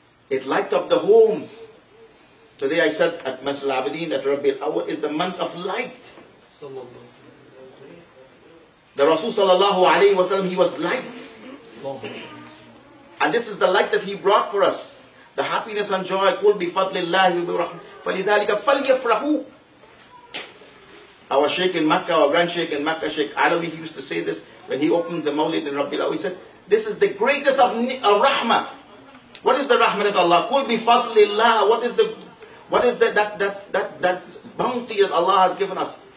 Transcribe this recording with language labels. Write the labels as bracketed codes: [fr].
[en] It light up the home. Today I said at Masjid al-Abidin that Rabbil Awwal is the month of light. The Rasul sallallahu alayhi wasallam, he was light. And this is the light that he brought for us. The happiness and joy, [ar] قُلْ بِفَضْلِ اللَّهِ وَبِرَحْمَةِ فَلِذَلِكَ فَلْيَفْرَحُ. [en] Our Sheikh in Makkah, our Grand Sheikh in Makkah, Sheikh Alawi, he used to say this when he opens the Mawlid in Rabbil Awwal. He said, this is the greatest of Rahmah. What is the Rahmah of Allah? [ar] قُلْ بِفَضْلِ اللَّهِ. [en] What is that bounty that Allah has given us?